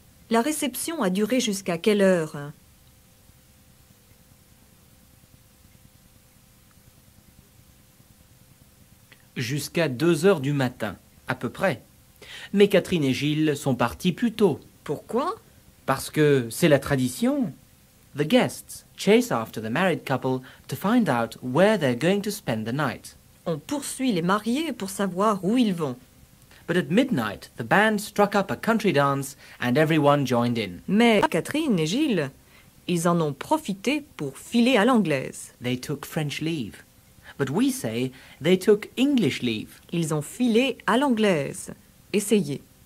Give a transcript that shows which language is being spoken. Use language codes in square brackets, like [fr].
[fr] La réception a duré jusqu'à quelle heure ? Jusqu'à 2h du matin, à peu près. Mais Catherine et Gilles sont partis plus tôt. Pourquoi ? Parce que c'est la tradition. [en] The guests chase after the married couple to find out where they're going to spend the night. [fr] On poursuit les mariés pour savoir où ils vont. [en] But at midnight, the band struck up a country dance and everyone joined in. [fr] Mais Catherine et Gilles, ils en ont profité pour filer à l'anglaise. [en] They took French leave. But we say they took English leave. [fr] Ils ont filé à l'anglaise. Essayez.